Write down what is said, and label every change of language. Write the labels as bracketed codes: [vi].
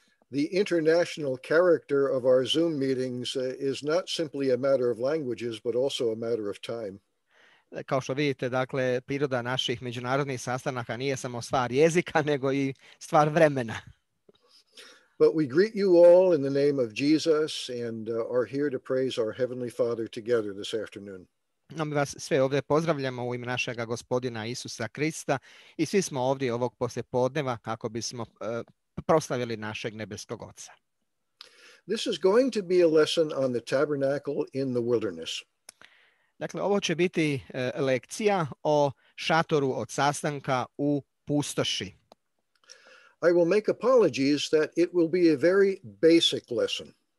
[en] The international character of our Zoom meetings is not simply a matter of languages, but also a matter of time. [hr] Kao što vidite, dakle, priroda naših međunarodnih sastanaka nije samo stvar jezika, nego i stvar vremena. [en] But we greet you all in the name of Jesus and are here to praise our Heavenly Father together this afternoon. [hr] No, mi vas sve ovdje pozdravljamo u ime našega gospodina Isusa Krista i svi smo ovdje ovog poslijepodneva kako bismo proslavili našeg nebeskog Oca. [en] This is going to be a lesson on the tabernacle in the wilderness. [hr] Dakle, ovo će biti lekcija o šatoru od sastanka u pustoši. [en] I will make apologies that it will be a very basic lesson.